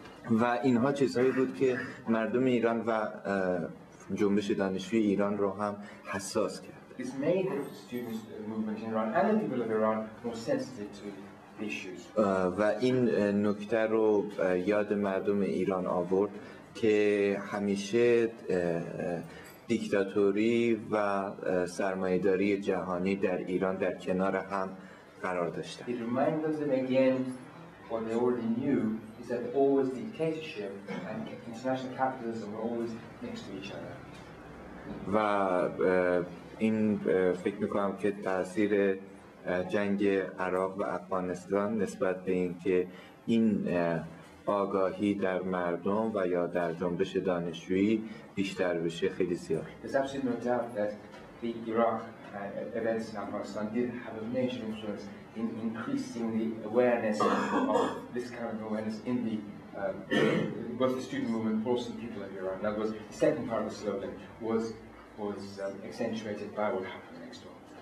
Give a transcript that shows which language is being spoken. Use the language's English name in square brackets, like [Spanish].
[Persian] و اینها چیزهایی بود که مردم ایران و جنبش دانشجوی ایران رو هم حساس کرد. [English] This made the student movement in Iran and the people of Iran more sensitive to the issues. [Persian] و این نکته رو یاد مردم ایران آورد که همیشه دیکتاتوری و سرمایه‌داری جهانی در ایران در کنار هم قرار داشتند. [English] It reminds them again what they already knew is that always dictatorship and international capitalism were always next to each other. [Persian] و این فکر می‌کنم که تأثیر جنگ عراق و افغانستان نسبت به اینکه این آگاهی در مردم و یا در جنبش دانشجویی بیشتر بشه خیلی زیاد. [English] There's absolutely no doubt that the Iraq events in Afghanistan did have a major influence in increasing the awareness of this kind of awareness in the both the student movement, but also the people of Iran. That was the second part of the slogan was accentuated by what happened next door.